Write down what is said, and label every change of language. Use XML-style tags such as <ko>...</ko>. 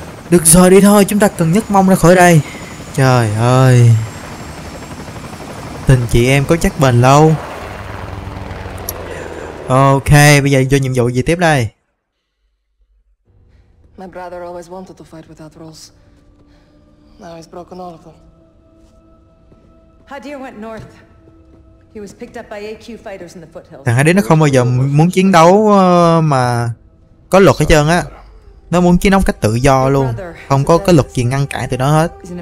<vi>Được rồi, đi thôi, chúng ta cần nhất mong ra khỏi đây. Trời ơi. Tình chị em có chắc bền lâu. Ok, bây giờ cho nhiệm vụ gì tiếp đây.</vi> <en>My brother always wanted to fight without rules. Now he's broken all of them. Hadir went north. He was picked up by AQ fighters in the foothills.</en> <vi>Thằng Hadir nó không bao giờ muốn chiến đấu mà có luật hết trơn á. Nó muốn chiến đấu cách tự do luôn. Không có cái luật gì ngăn cản từ đó hết.</vi>